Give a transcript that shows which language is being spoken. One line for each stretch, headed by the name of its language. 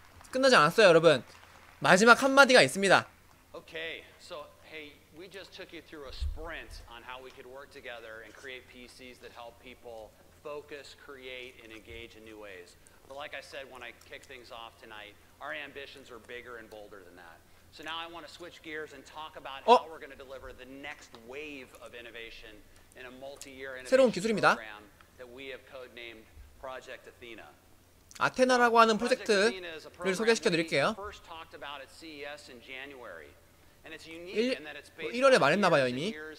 Korean: 끝나지 않았어요, 여러분. 마지막 한 마디가 있습니다.
English: Okay, so hey, we just took you through a sprint on how we could work together and create PCs that help people. focus, create, and engage in new ways. But like I said when I kick things off tonight, our ambitions are bigger and bolder than that. So now I want to switch gears and talk about how we're going to deliver the next wave of innovation in a multi-year innovation program that we have codenamed Project Athena.
Korean: 아테나라고 하는 프로젝트를 소개시켜드릴게요. 1월에 말했나봐요 이미.